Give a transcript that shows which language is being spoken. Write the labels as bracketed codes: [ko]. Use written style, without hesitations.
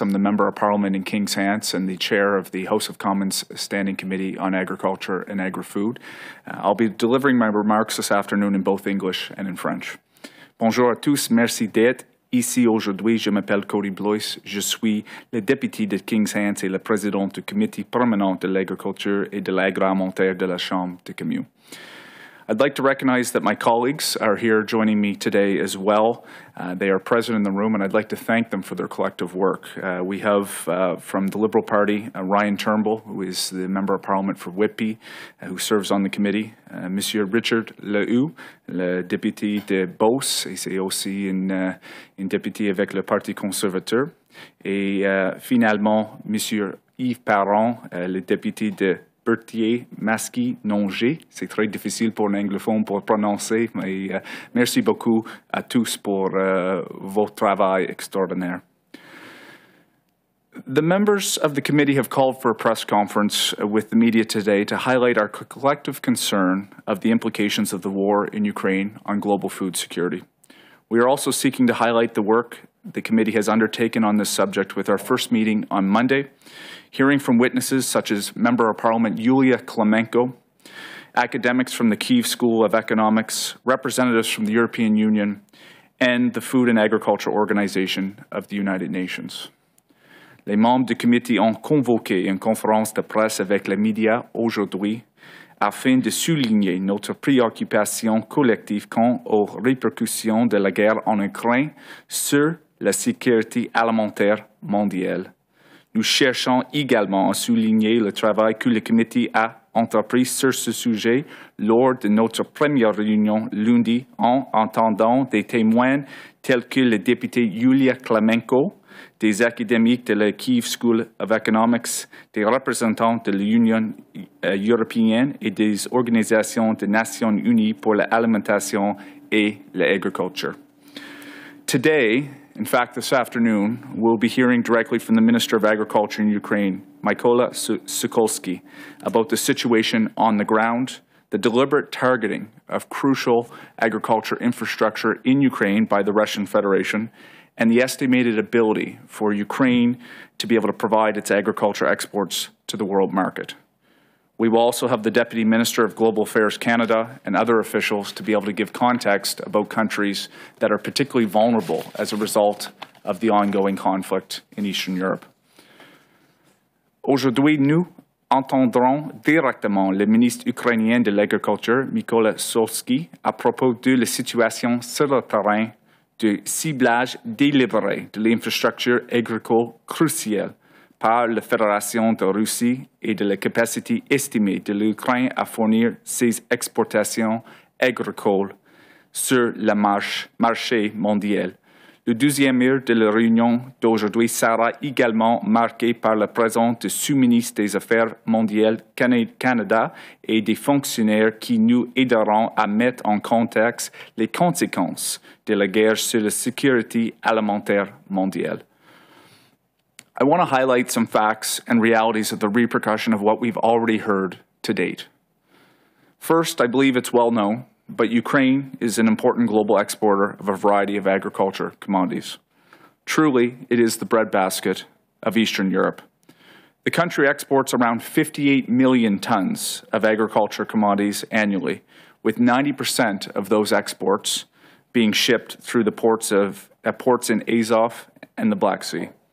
[en] I'm the Member of Parliament in King's Hants and the Chair of the House of Commons Standing Committee on Agriculture and Agri-Food. I'll be delivering my remarks this afternoon in both English and in French. [fr] Bonjour à tous, merci d'être ici aujourd'hui. Je m'appelle Kody Blois. Je suis le député de King's Hants et le président du Comité permanent de l'agriculture et de l'agroalimentaire de la Chambre des communes. [en] I'd like to recognize that my colleagues are here joining me today as well. They are present in the room, and I'd like to thank them for their collective work. We have, from the Liberal Party, Ryan Turnbull, who is the Member of Parliament for Whitby, who serves on the committee, [fr] Monsieur Richard Lehou, le député de Beauce, et c'est aussi un député avec le Parti conservateur, et finalement, Monsieur Yves Parent, le député de Berthier, Masqui, Nongé. C'est très difficile pour un anglophone pour prononcer, mais merci beaucoup à tous pour votre travail extraordinaire. [en] The members of the committee have called for a press conference with the media today to highlight our collective concern of the implications of the war in Ukraine on global food security. We are also seeking to highlight the work the committee has undertaken on this subject with our first meeting on Monday, hearing from witnesses such as Member of Parliament Yulia Klimenko, academics from the Kyiv School of Economics, representatives from the European Union, and the Food and Agriculture Organization of the United Nations. [fr] Les membres du comité ont convoqué une conférence de presse avec les médias aujourd'hui afin de souligner notre préoccupation collective quant aux répercussions de la guerre en Ukraine sur la sécurité alimentaire mondiale. Nous cherchons également à souligner le travail que le comité a entrepris sur ce sujet lors de notre première réunion lundi en entendant des témoins tels que le député Yulia Klimenko, des académiques de la Kyiv School of Economics, des représentants de l'Union européenne et des organisations des Nations unies pour l'alimentation et l'agriculture. [en] Today, in fact, this afternoon, we'll be hearing directly from the Minister of Agriculture in Ukraine, Mykola Sikorski, about the situation on the ground, the deliberate targeting of crucial agriculture infrastructure in Ukraine by the Russian Federation, and the estimated ability for Ukraine to be able to provide its agriculture exports to the world market. We will also have the Deputy Minister of Global Affairs Canada and other officials to be able to give context about countries that are particularly vulnerable as a result of the ongoing conflict in Eastern Europe. [fr] Aujourd'hui, nous entendrons directement le ministre ukrainien de l'Agriculture, Mykola Sikorski, à propos de la situation sur le terrain du ciblage délibéré de l'infrastructure agricole cruciale par la Fédération de Russie et de la capacité estimée de l'Ukraine à fournir ses exportations agricoles sur le marché mondial. Le deuxième heure de la réunion d'aujourd'hui sera également marqué par la présence du sous-ministre des Affaires mondiales Canada et des fonctionnaires qui nous aideront à mettre en contexte les conséquences de la guerre sur la sécurité alimentaire mondiale. [en] I want to highlight some facts and realities of the repercussion of what we've already heard to date. First, I believe it's well known, but Ukraine is an important global exporter of a variety of agriculture commodities. Truly, it is the breadbasket of Eastern Europe. The country exports around 58 million tons of agriculture commodities annually, with 90% of those exports being shipped through the ports in Azov and the Black Sea.